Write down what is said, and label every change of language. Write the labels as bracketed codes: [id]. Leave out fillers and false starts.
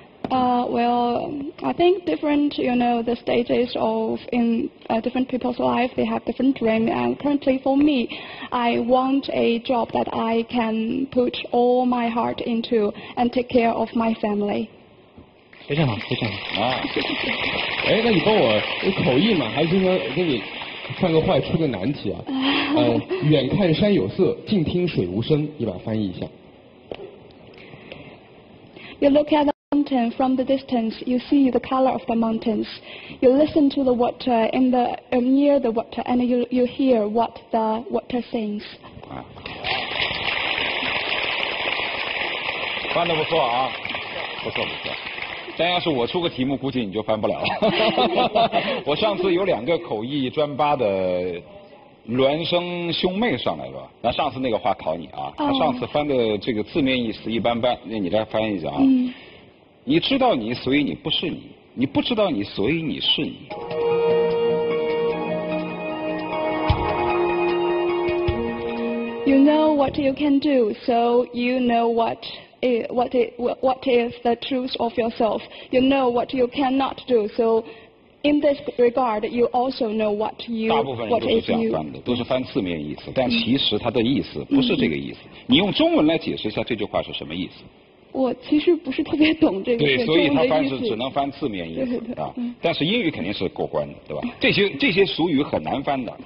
[en] Well, I think different, you know, the stages of in different people's life, they have different dreams. And currently for me, I want a job that I can put all my heart into and take care of my family. [zh] 非常好，非常好。哎，那你帮我口译吗？还是说给你犯个坏出个难题啊？远看山有色，近听水无声，你把翻译一下。 [en] You look at the mountain from the distance, you see the color of the mountains. You listen to the water in the near the water, and you hear what the water sings. [zh] 翻得不错啊，不错不错。但要是我出个题目，估计你就翻不了了。我上次有两个口译专八的孪生兄妹上来了，那上次那个话考你啊，他上次翻的这个字面意思一般般，那你来翻一下啊。你知道你，所以你不是你；你不知道你，所以你是你。 [en] You know what you can do, so you know what. What is the truth of yourself? You know what you cannot do. So, in this regard, you also know what you. [zh] 大部分人都是这样翻的，都是翻字面意思，但其实它的意思不是这个意思。你用中文来解释一下这句话是什么意思？我其实不是特别懂这个中文对，所以他翻是只能翻字面意思，对对对啊。但是英语肯定是过关的，对吧？这些俗语很难翻的。